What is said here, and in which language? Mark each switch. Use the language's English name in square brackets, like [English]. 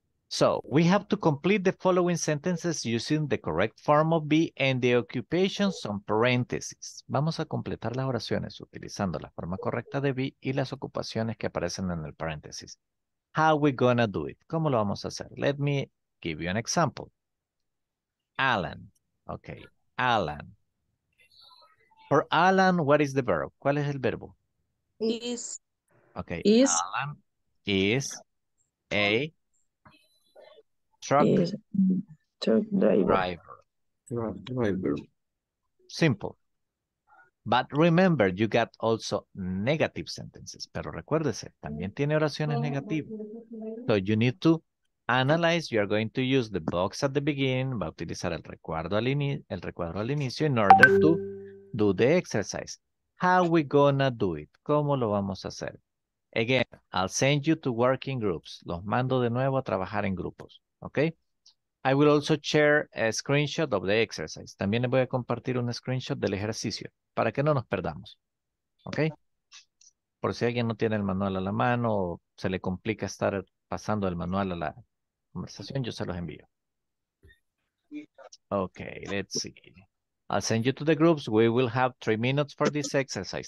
[English] So, we have to complete the following sentences using the correct form of be and the occupations on parentheses. [Spanish] Vamos a completar las oraciones utilizando la forma correcta de be y las ocupaciones que aparecen en el paréntesis. [English] How are we gonna do it? [Spanish] ¿Cómo lo vamos a hacer? [English] Let me give you an example. Alan. Okay. Alan. For Alan, what is the verb? [Spanish] ¿Cuál es el verbo? [English] Is. Okay. Is. Alan is a truck, is truck driver. Driver. Driver. Simple. But remember, you got also negative sentences. [Spanish] Pero recuérdese, también tiene oraciones negativas. [English] So you need to analyze. You are going to use the box at the beginning. [Spanish] Va a utilizar el recuadro al inicio [English] in order to do the exercise. How are we gonna do it? [Spanish] ¿Cómo lo vamos a hacer? [English] Again, I'll send you to working groups. [Spanish] Los mando de nuevo a trabajar en grupos. [English] Okay? I will also share a screenshot of the exercise. [Spanish] También les voy a compartir un screenshot del ejercicio para que no nos perdamos. Okay? Por si alguien no tiene el manual a la mano o se le complica estar pasando el manual a la conversación, yo se los envío. [English] Okay, let's see. I'll send you to the groups. We will have 3 minutes for this exercise.